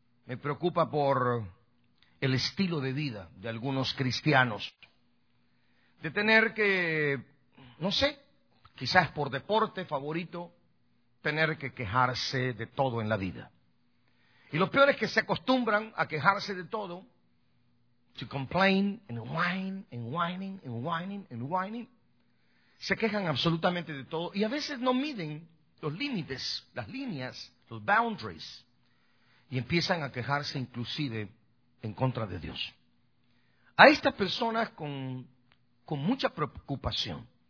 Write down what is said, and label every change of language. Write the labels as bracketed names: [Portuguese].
[Spanish] Me preocupa por el estilo de vida de algunos cristianos. De tener que, no sé, quizás por deporte favorito, tener que quejarse de todo en la vida. Y lo peor es que se acostumbran a quejarse de todo. [English] To complain and whine and whining and whining and whining. [Spanish] Se quejan absolutamente de todo y a veces no miden los límites, las líneas, los boundaries. Y empiezan a quejarse inclusive en contra de Dios. A estas personas con mucha preocupación.